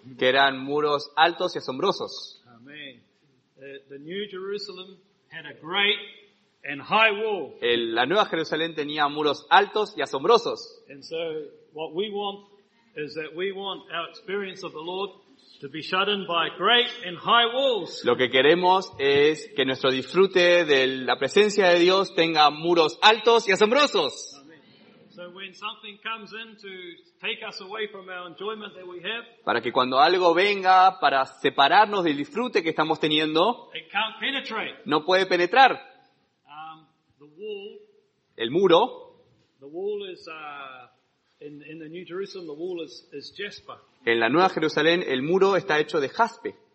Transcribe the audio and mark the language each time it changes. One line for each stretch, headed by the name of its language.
Spanish: Que eran muros altos y asombrosos.
English: Amen. The new Jerusalem had a great and high wall.
Spanish: La nueva Jerusalén tenía muros altos y asombrosos.
English: And so what we want is that we want our experience of the Lord to be shut in by great and high walls.
Spanish: Lo que queremos es que nuestro disfrute de la presencia de Dios tenga muros altos y asombrosos.
English: So when something comes in to take us away from our enjoyment that we have,
Spanish: para que cuando algo venga para separarnos del disfrute que estamos teniendo,
English: it can't penetrate.
Spanish: No puede penetrar.
English: The wall.
Spanish: El muro.
English: The wall is in the New Jerusalem. The wall is jasper.
Spanish: En la Nueva Jerusalén, el muro está hecho de jaspe.